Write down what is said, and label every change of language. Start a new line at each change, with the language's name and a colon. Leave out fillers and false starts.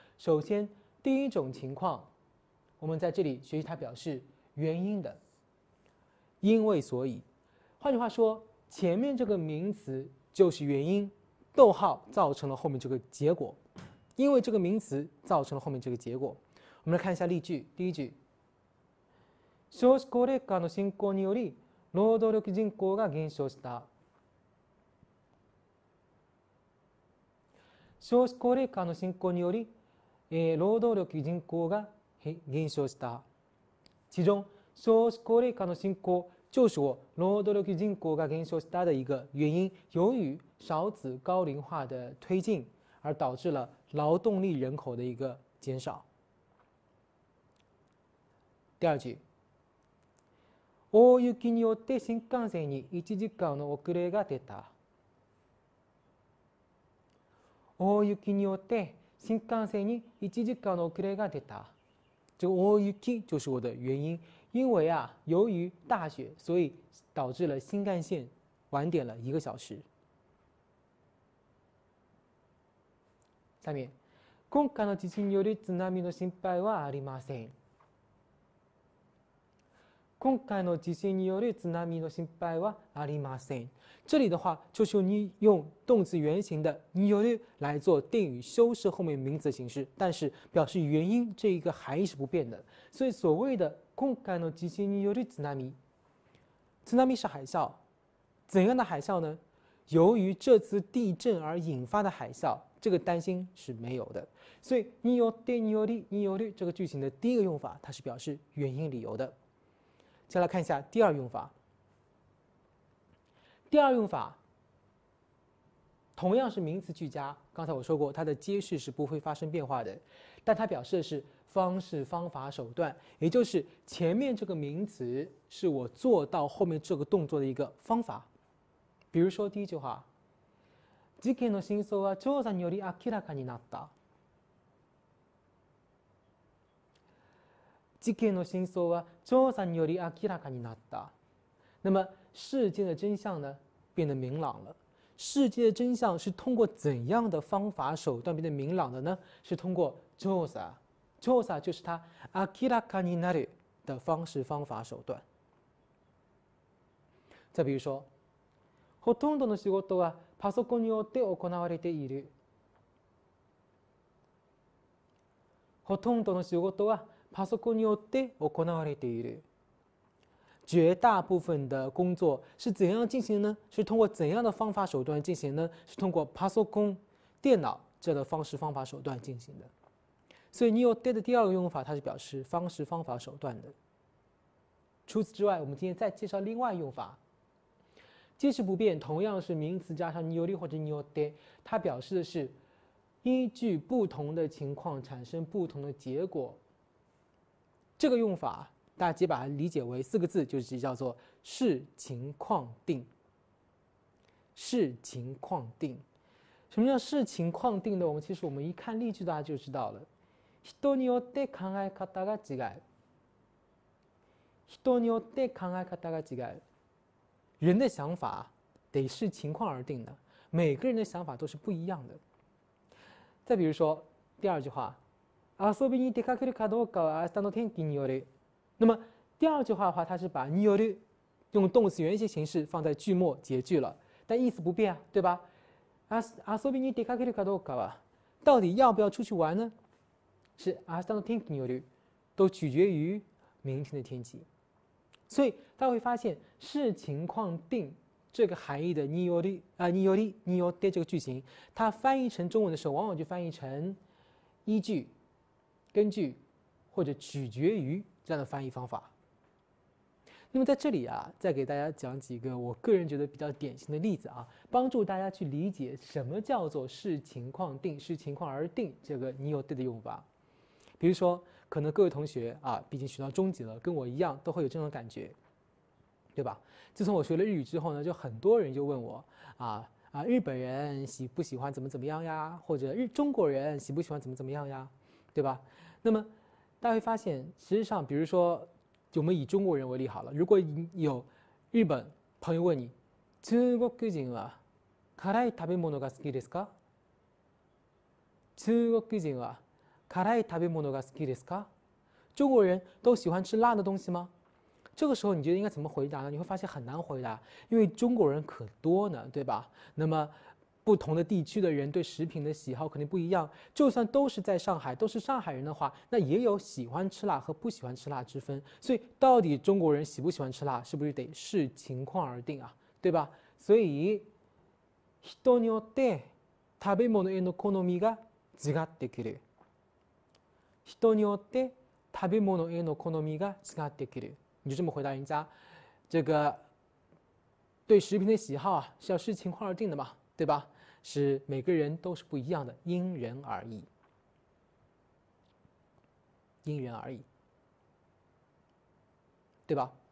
Chinese: 首先，第一种情况，我们在这里学习它表示原因的，因为所以。换句话说，前面这个名词就是原因，逗号造成了后面这个结果，因为这个名词造成了后面这个结果。我们来看一下例句，第一句：
Japanese: 少子高齢化の進行により、労働力人口が減少した。少子高齢化の進行により。労働力人口が減少した。
Chinese: 其中、
Japanese: 少子高齢化の進行、
Chinese: 就是我
Japanese: 労働力人口が減少した
Chinese: 的一个原因，由于少子高龄化的推进，而导致了劳动力人口的一个减少。第二句、
Japanese: 大雪によって新幹線に1時間の遅れが出た。大雪によって新幹線に1時間の遅れが出た。
Chinese: 这个大雪就是我的原因，因为啊，由于大雪，所以导致了新干线晚点了一个小时。下面，
Japanese: 今回の地震による津波の心配はありません。今回の地震による津波の心配はありません。
Chinese: 这里的话，就是用动词原形的による来做定语修饰后面名词形式，但是表示原因这一个含义是不变的。所以所谓的
Japanese: 今回の地震による津波、
Chinese: 是海啸，怎样的海啸呢？由于这次地震而引发的海啸，这个担心是没有的。所以によってによりによる这个句型的第一个用法，它是表示原因理由的。再来看一下第二用法。第二用法，同样是名词俱佳。刚才我说过，它的接续是不会发生变化的，但它表示的是方式、方法、手段，也就是前面这个名词是我做到后面这个动作的一个方法。比如说第一句话，
Japanese: 事件の真相は調査により明らかになった。事件の真相は調査により明らかになった。
Chinese: 那么事件的真相呢，变得明朗了。事件的真相是通过怎样的方法手段变得明朗的呢？是通过調査，調査就是它
Japanese: 明らかになる
Chinese: 的方式、方法、手段。再比如说，
Japanese: ほとんどの仕事はパソコンによって行われている。ほとんどの仕事はパソコンによって行われている。
Chinese: 绝大部分的工作是怎样进行呢？是通过怎样的方法手段进行呢？是通过パソコン、电脑这样的方式方法手段进行的。所以，によって的第二个用法，它是表示方式方法手段的。除此之外，我们今天再介绍另外用法。即使不变，同样是名词加上により或者によって，它表示的是依据不同的情况产生不同的结果。这个用法，大家把它理解为四个字，就是叫做视情况定。视情况定，什么叫视情况定呢？我们一看例句，大家就知道了。
Japanese: 人によって考え方が違う。人によって考え方が違う。
Chinese: 人的想法得视情况而定的，每个人的想法都是不一样的。再比如说第二句话，
Japanese: 遊びに出かけるかどうかは明日の天気による。
Chinese: 那么第二句话的话，它是把による用动词原形形式放在句末结句了，但意思不变啊，对吧？
Japanese: 遊びに出かけるかどうかは，
Chinese: 到底要不要出去玩呢？是
Japanese: 明日の天気による，
Chinese: 都取决于明天的天气。所以大家会发现，视情况定这个含义的により这个句型，它翻译成中文的时候，往往就翻译成依据、根据或者取决于这样的翻译方法。那么在这里啊，再给大家讲几个我个人觉得比较典型的例子啊，帮助大家去理解什么叫做视情况定、视情况而定这个により的用法。比如说，可能各位同学啊，毕竟学到中级了，跟我一样都会有这种感觉，对吧？自从我学了日语之后呢，就很多人就问我啊，日本人喜不喜欢怎么怎么样呀？或者中国人喜不喜欢怎么怎么样呀？对吧？那么大家会发现，实际上，比如说，就我们以中国人为例好了，如果有日本朋友问你，
Japanese: 中国人は辛い食べ物が好きですか？中国人は辛い食べ物が好きですか？
Chinese: 中国人都喜欢吃辣的东西吗？这个时候你觉得应该怎么回答呢？你会发现很难回答，因为中国人可多呢，对吧？那么不同的地区的人对食品的喜好肯定不一样。就算都是在上海，都是上海人的话，那也有喜欢吃辣和不喜欢吃辣之分。所以到底中国人喜不喜欢吃辣，是不是得视情况而定啊？对吧？
Japanese: 所以人によって食べ物への好みが違ってくる。人によって食べ物への好みが違ってくる。
Chinese: 你就这么回答人家，这个对食品的喜好啊，是要视情况而定的嘛，对吧？是每个人都是不一样的，因人而异，因人而异，对吧？